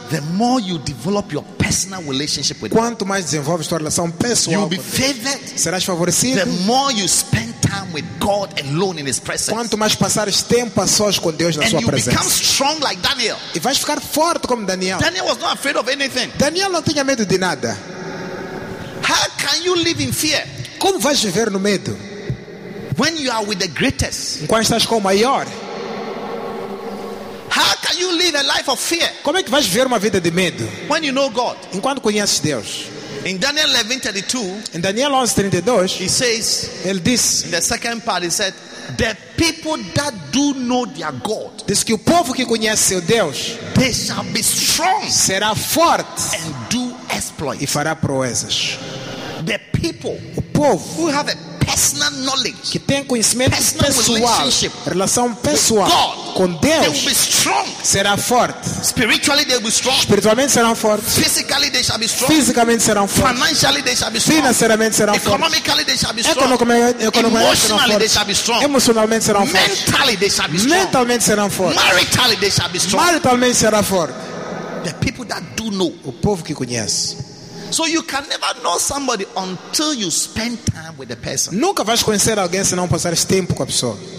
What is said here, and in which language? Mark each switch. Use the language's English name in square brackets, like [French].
[English] The more you develop your personal relationship with. [Portuguese] Quanto mais desenvolves tua relação pessoal. [English] You will be favored. [Portuguese] Serás favorecido. [English] The more you spend time with God alone in His presence. [Portuguese] Quanto mais passares tempo a sós com Deus na [English] and [Portuguese] sua presença. [English] And you become strong like Daniel. [Portuguese] E vais ficar forte como Daniel. [English] Daniel was not afraid of anything. [Portuguese] Daniel não tinha medo de nada. [English] How can you live in fear? [Portuguese] Como vais viver no medo? [English] When you are with the greatest. [Portuguese] Quando estás com o maior. [English] How can you live a life of fear? [Portuguese] Como é que vais viver uma vida de medo? [English] When you know God. [Portuguese] Enquanto conheces Deus. [English] In Daniel 11:32. [Portuguese] Em Daniel 11:32. [English] He says. [Portuguese] Ele diz. [English] In the second part, he said, the people that do know their God. [Portuguese] Diz que o povo que conhece seu Deus. [English] They shall be strong. [Portuguese] Será forte. [English] And do exploits. [Portuguese] E fará proezas. [English] The people. [Portuguese] O povo. [English] Who have a personal knowledge. [Portuguese] Que tem conhecimento [English] personal [Portuguese] pessoal. [English] Relationship [Portuguese] relação pessoal. [English] With God, [Portuguese] com Deus. [English] They will be strong. [Portuguese] Será forte. [English] Spiritually they will be strong. [Portuguese] Espiritualmente serão fortes. [English] Physically they shall be strong. [Portuguese] Fisicamente serão fortes. [English] Financially they shall be strong. [Portuguese] Financeiramente serão fortes. [English] Economically they shall be strong. [Portuguese] Economicamente serão fortes. [English] They shall be strong. [Portuguese] Emocionalmente serão fortes. [English] Mentally they shall be strong. [Portuguese] Mentalmente serão fortes. [English] Maritally they shall be strong. [Portuguese] Maritalmente será forte. [English] The people that do know. [Portuguese] O povo que conhece. [English] So you can never know somebody until you spend time with the person. [Portuguese] Nunca vais conhecer alguém se não passares tempo com a pessoa.